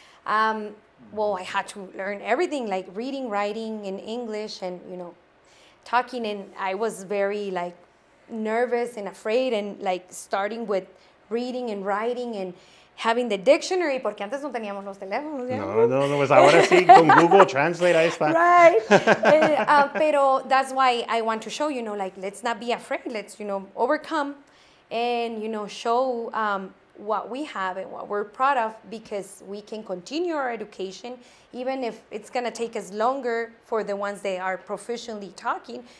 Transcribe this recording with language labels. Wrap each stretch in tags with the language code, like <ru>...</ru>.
<en>I had to learn everything, like reading, writing, and English, and, you know, talking. And I was very, like, nervous and afraid, and, like, starting with reading and writing and having the dictionary,</en> <es>porque antes no teníamos los teléfonos. ¿Sí? No, pues ahora sí, con Google Translate, ahí está.</es> <en>Right. pero that's why I want to show, you know, like, let's not be afraid. Let's, you know, overcome and, you know, show what we have and what we're proud of, because we can continue our education, even if it's going to take us longer for the ones that are proficiently talking.</en>